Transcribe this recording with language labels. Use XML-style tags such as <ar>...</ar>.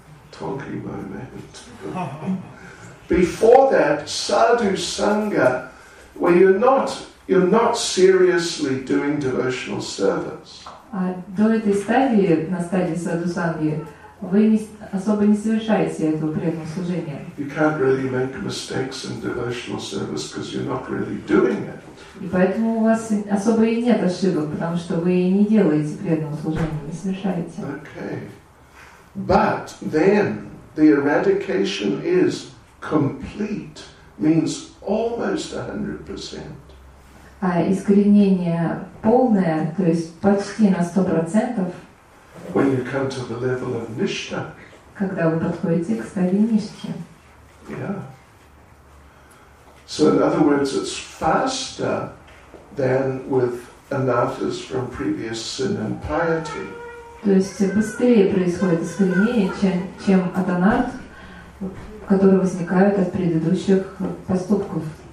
<en>Talking moment. Before that, sadhu sangha, where you're not seriously doing devotional service.</en> <ru>А до этой стадии, на стадии садху-санги, вы не, особо не совершаете этого преданного служения.</ru> <en>You can't really make mistakes in devotional service because you're not really doing it.</en> <ru>И поэтому у вас особо и нет ошибок, потому что вы не делаете преданного служения, не совершаете.</ru> <en>Okay. But then the eradication is complete, means almost 100%.</en> <ru>А искоренение полное, то есть почти на 100%.</ru> <en>When you come to the level of nishtha.</en> <ru>Когда вы подходите к стадии нишки.</ru> <en>Yeah. So in other words, it's faster than with anathas from previous sin and piety.</en> <ru>То есть быстрее происходит искоренение, чем от анат, которые возникают от предыдущих поступков.</ru>